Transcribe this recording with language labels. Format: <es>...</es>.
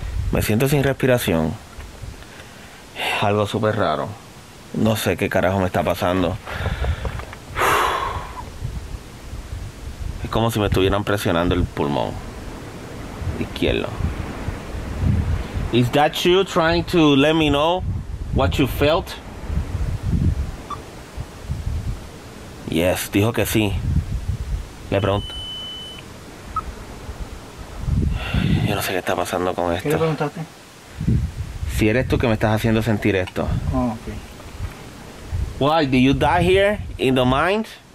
<es>Me siento sin respiración. Es algo súper raro. No sé qué carajo me está pasando. Como si me estuvieran presionando el pulmón izquierdo.</es> <en>Is that you trying to let me know what you felt?</en> <es>Yes, dijo que sí. Le pregunto. Yo no sé qué está pasando con esto. ¿Qué le preguntaste? Si eres tú que me estás haciendo sentir esto. Oh, okay.</es> <en>Why, did you die here in the mind?</en>